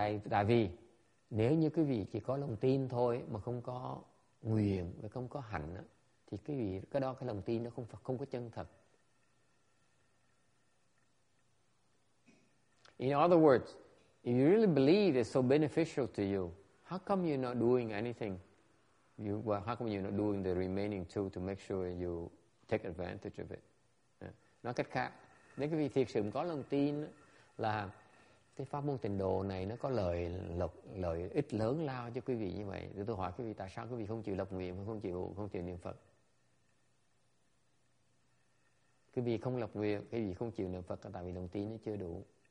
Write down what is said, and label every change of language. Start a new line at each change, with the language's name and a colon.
Vietnamese: Tại vì nếu như quý vị chỉ có lòng tin thôi mà không có nguyện và không có hạnh á, thì quý vị cái đó cái lòng tin nó không có chân thật.
English: In other words, if you really believe it's so beneficial to you, how come you're not doing anything? How come you're not doing the remaining two to make sure you take advantage of it?
Vietnamese: Nói cách khác, nếu quý vị thiệt sự có lòng tin là cái pháp môn tịnh độ này nó có lợi ích lớn lao cho quý vị như vậy, thì tôi hỏi quý vị tại sao quý vị không chịu lập nguyện, không chịu niệm Phật? Quý vị không lập nguyện, quý vị không chịu niệm Phật là tại vì lòng tin nó chưa đủ.